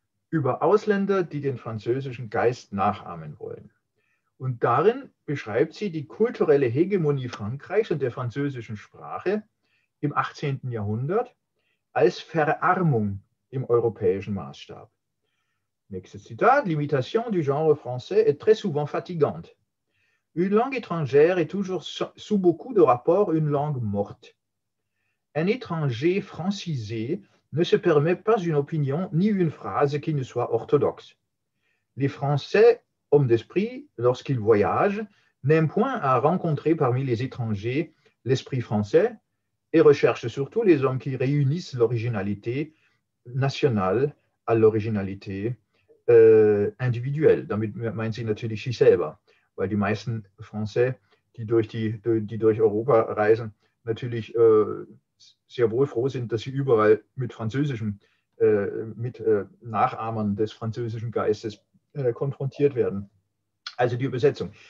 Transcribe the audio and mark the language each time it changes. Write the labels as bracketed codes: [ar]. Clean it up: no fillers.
[de] Über Ausländer, die den französischen Geist nachahmen wollen. Und darin beschreibt sie die kulturelle Hegemonie Frankreichs und der französischen Sprache im 18. Jahrhundert als Verarmung im europäischen Maßstab. Nächstes Zitat. [fr] L'imitation du genre français est très souvent fatigante. Une langue étrangère est toujours sous beaucoup de rapports une langue morte. Un étranger francisé ne se permet pas une opinion ni une phrase qui ne soit orthodoxe. Les Français homme d'esprit, lorsqu'il voyage, n'aime point à rencontrer parmi les étrangers l'esprit français et recherche surtout les hommes qui réunissent l'originalité nationale à l'originalité individuelle. [de] Damit meint sie natürlich sich selber, weil die meisten Français, die durch Europa reisen, natürlich sehr wohl froh sind, dass sie überall mit französischem, mit Nachahmern des französischen Geistes konfrontiert werden. Also die Übersetzung.